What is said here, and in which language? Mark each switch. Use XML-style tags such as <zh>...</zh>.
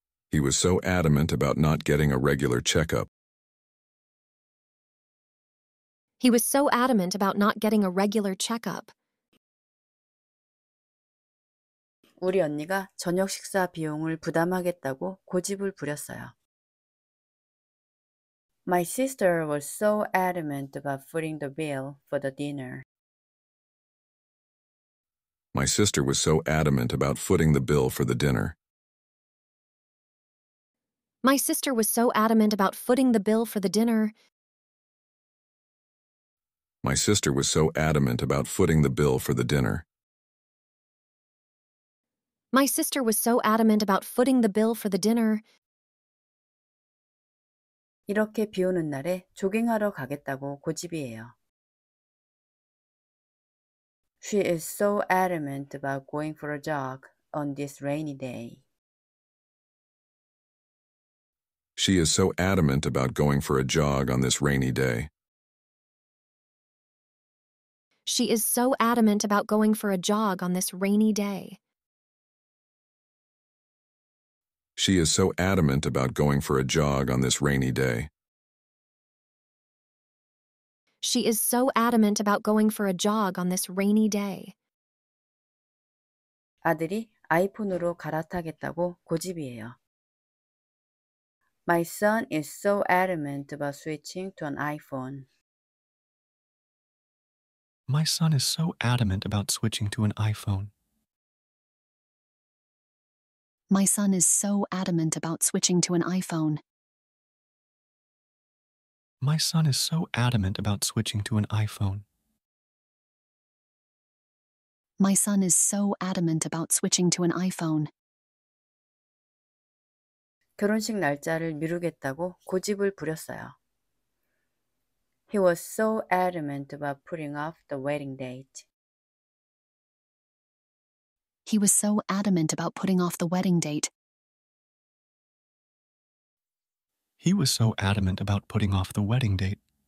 <en>He was so adamant about not getting a regular checkup. He was so adamant about not getting a regular checkup.</en> <ko>우리 언니가 저녁 식사 비용을 부담하겠다고 고집을 부렸어요.</ko> <en>My sister was so adamant about footing the bill for the dinner. My sister was so adamant about footing the bill for the dinner. My sister was so adamant about footing the bill for the dinner. My sister was so adamant about footing the bill for the dinner. My sister was so adamant about footing the bill for the dinner.</en> <ko>이렇게 비 오는 날에 조깅하러 가겠다고 고집이에요.</ko> <en>She is so adamant about going for a jog on this rainy day. She is so adamant about going for a jog on this rainy day. She is so adamant about going for a jog on this rainy day. She is so adamant about going for a jog on this rainy day. She is so adamant about going for a jog on this rainy day.</en> <ko>아들이 아이폰으로 갈아타겠다고 고집이에요.</ko> <en>My son is so adamant about switching to an iPhone. My son is so adamant about switching to an iPhone. My son is so adamant about switching to an iPhone. My son is so adamant about switching to an iPhone. My son is so adamant about switching to an iPhone.</en> <ko>결혼식 날짜를 미루겠다고 고집을 부렸어요.</ko> <en>He was so adamant about putting off the wedding date. He was so adamant about putting off the wedding date. He was so adamant about putting off the wedding date.</en>